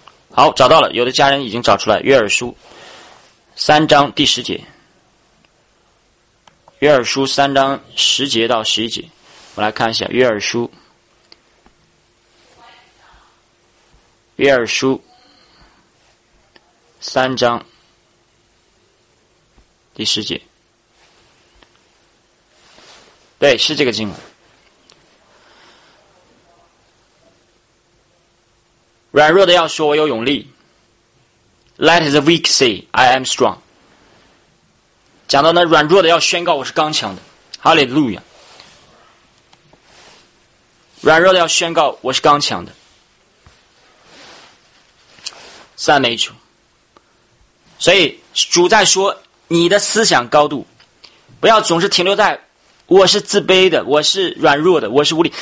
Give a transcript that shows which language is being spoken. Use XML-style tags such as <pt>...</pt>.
<zh>好，找到了，有的家人已经找出来，约珥书三章第十节，约珥书三章十节到十一节，我来看一下，约珥书三章第十节，对，是这个经文。软弱的要说我有勇力，</zh> <en>Let the weak say I am strong。</en> <zh>讲到那软弱的要宣告我是刚强的，哈利路亚。软弱的要宣告我是刚强的，赞美主。所以主在说，你的思想高度不要总是停留在我是自卑的，我是软弱的，我是无力。</zh>